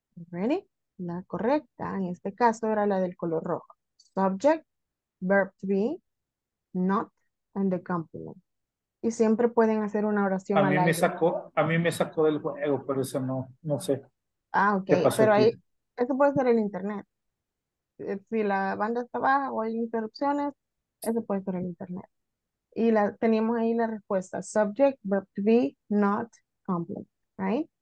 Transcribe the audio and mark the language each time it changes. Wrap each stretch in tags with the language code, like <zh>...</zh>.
<es>¿Ready? La correcta en este caso era la del color rojo.</es> <en>Subject, verb to be, not, and the complement.</en> <es>Y siempre pueden hacer una oración al aire. A mí me sacó del juego, por eso no sé Ah, ok. qué pasó Pero aquí. ahí, eso puede ser el internet. Si la banda está baja o hay interrupciones, eso puede ser el internet. Y teníamos ahí la respuesta.</es> <en>Subject, verb to be, not, complement. Right?</en>